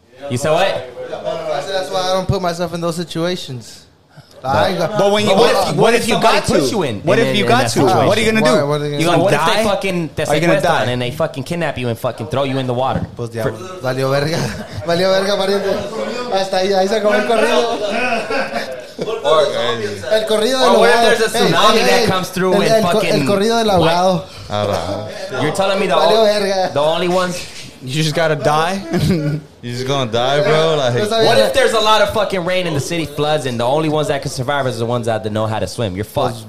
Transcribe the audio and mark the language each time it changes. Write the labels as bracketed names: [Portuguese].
[English] You said what? I said that's why I don't put myself in those situations. But when you, what if you got to? What are you gonna do? What if they fucking sequestran and they fucking kidnap you and fucking throw you in the water? [Spanish] Pues diablo. Valió verga. Valió verga, pariente. Hasta ahí se acabó el corrido. El corrido del ahogado. [English] Or if there's a tsunami that comes through and fucking. [Spanish] El corrido del ahogado. [English] You're telling me the only ones. You just gotta die? You just gonna die, bro? Like, what if there's a lot of fucking rain in the city, floods, and the only ones that can survive is the ones that know how to swim? You're fucked.